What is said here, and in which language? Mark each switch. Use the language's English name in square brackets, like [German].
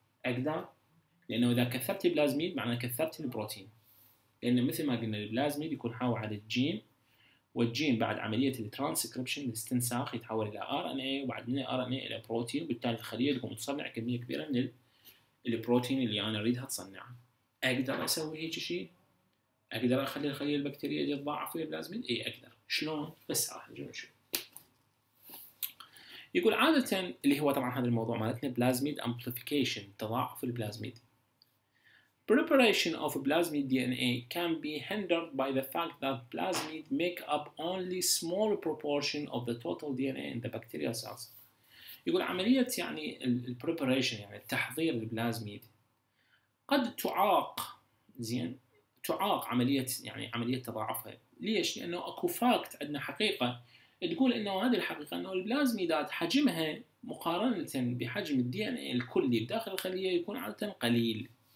[Arabic] اقدر، لانه اذا كثرت البلازميد معناه كثرت البروتين، لان مثل ما قلنا البلازميد يكون حاوي على الجين، والجين بعد عمليه الترانسكريبشن الاستنساخ يتحول الى ار ان اي، وبعد من الار ان اي الى بروتين، وبالتالي الخليه تكون تصنع كميه كبيره من البروتين اللي انا اريدها تصنعه. اقدر اسوي هيك شيء؟ اقدر اخلي الخليه البكتيريه تتضاعف في البلازميد؟ اي اقدر. شلون؟ بس راح نشوف. يقول عادة، اللي هو طبعا هذا الموضوع مالتنا، بلازميد امبليفيكيشن، تضاعف البلازميد. [English] Preparation of plasmid DNA can be hindered by the fact that plasmid make up only small proportion of the total DNA in the bacterial cells. [Arabic] يقول عملية يعني ال preparation يعني تحضير البلازميد قد تعاق، زين، تعاق عملية يعني عملية تضاعفها. ليش؟ لأنه اكو فاكت، عندنا حقيقة تقول انه هذه الحقيقة انه البلازميدات حجمها مقارنة بحجم الـ DNA الكلي بداخل الخلية يكون عادة قليل.